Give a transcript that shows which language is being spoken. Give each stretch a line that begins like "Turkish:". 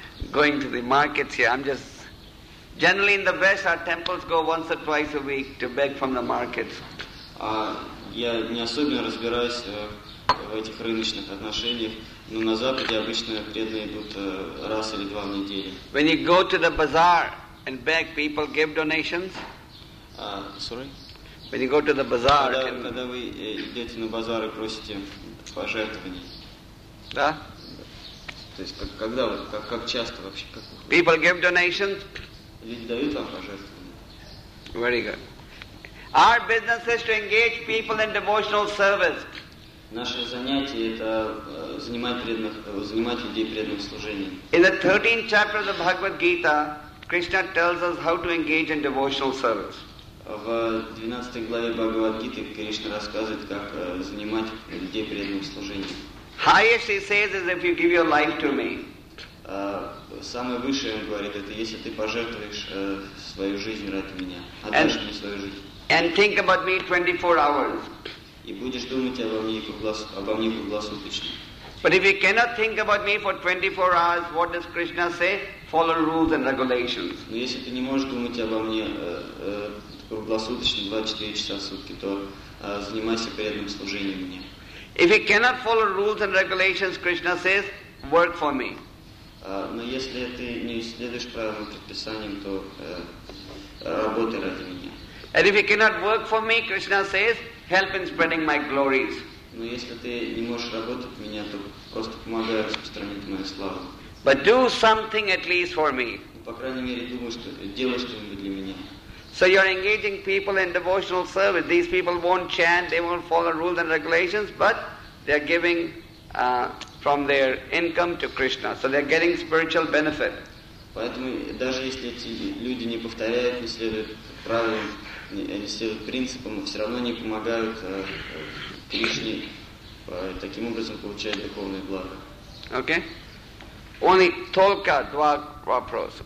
English: Going to the markets here. I'm just generally in the West. Our temples go once or twice a week to beg from the markets.
Russian: Я не особенно разбираюсь в этих рыночных отношениях, но на Западе обычно преданные идут раз или два в неделю.
English: When you go to the bazaar and beg, people give donations. Sorry. When you go to the bazaar.
Russian: Когда вы идете на базар и просите пожертвований. Да. То есть когда вы, как часто вообще? Как вы...
English: People give donations.
Russian: Люди дают вам пожертвования.
English: Very good. Our business is to engage people in devotional service.
Russian: Наше занятие это занимать людей преданным служением.
English: In the 13th chapter of the Bhagavad Gita, Krishna tells us how to engage in devotional service.
Russian: В 12 главе Бхагавад Гиты Кришна рассказывает, как занимать людей преданным служением.
English: Highest, he says, is if you give your life to me.
Russian: Самое высшее, он говорит, это если ты пожертвуешь свою жизнь ради меня, отдашь мне свою жизнь.
English: And think about me 24 hours.
Russian: И будешь думать обо мне круглосуточно.
English: But if you cannot think about me for 24 hours, what does Krishna say? Follow rules and regulations.
Russian: Но если ты не можешь думать обо мне круглосуточно 24 часа в сутки, то занимайся преданным служением мне.
English: If you cannot follow rules and regulations, Krishna says, work for me.
Russian: Но если ты не следуешь правилам и предписаниям, то работай ради меня.
English: And if you cannot work for me, Krishna says, help in spreading my glories.
Russian: Но если ты не можешь работать для меня, то просто помогай распространить мою славу.
English: But do something at least for me.
Russian: По крайней мере, думай, что делай что-нибудь для меня.
English: So you're engaging people in devotional service. These people won't chant, they won't follow rules and regulations, but they're giving from their income to Krishna. So they're getting spiritual benefit.
Russian: Поэтому даже если эти люди не повторяют, не следуют правилам, не следуют принципам, все равно они помогают Кришне, таким образом получают духовное благо.
English: Okay. Only
Russian: только два вопроса.